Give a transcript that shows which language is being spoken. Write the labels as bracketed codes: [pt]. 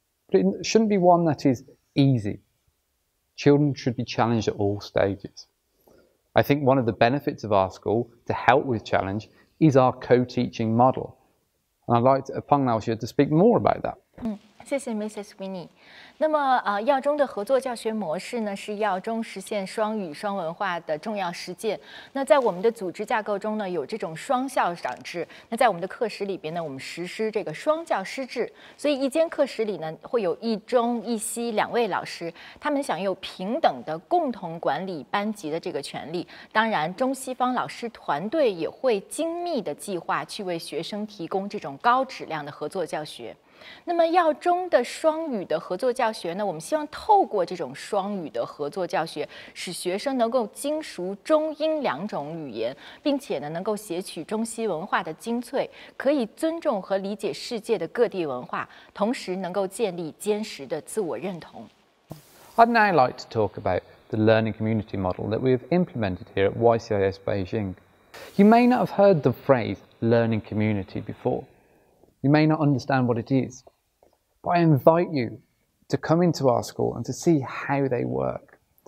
[en] But it shouldn't be one that is easy. Children should be challenged at all stages. I think one of the benefits of our school to help with challenge is our co-teaching model. And I'd like Pang Laoxue to speak more about that. [zh] 谢谢 Mrs. Sweeney。那么耀中的合作教学模式呢，是耀中实现双语双文化的重要实践。那在我们的组织架构中呢，有这种双校长制。那在我们的课室里边呢，我们实施这个双教师制。所以一间课室里呢，会有一中一西两位老师，他们享有平等的共同管理班级的这个权利。当然，中西方老师团队也会精密的计划去为学生提供这种高质量的合作教学。那么耀中的双语的合作教学呢，我们希望透过这种双语的合作教学，使学生能够精熟中英两种语言，并且呢能够撷取中西文化的精粹，可以尊重和理解世界的各地文化，同时能够建立坚实的自我认同。 [en] I'd now like to talk about the learning community model that we have implemented here at YCIS Beijing. You may not have heard the phrase learning community beforeYou may not understand what it is, but I invite you to come into our school and to see how they work.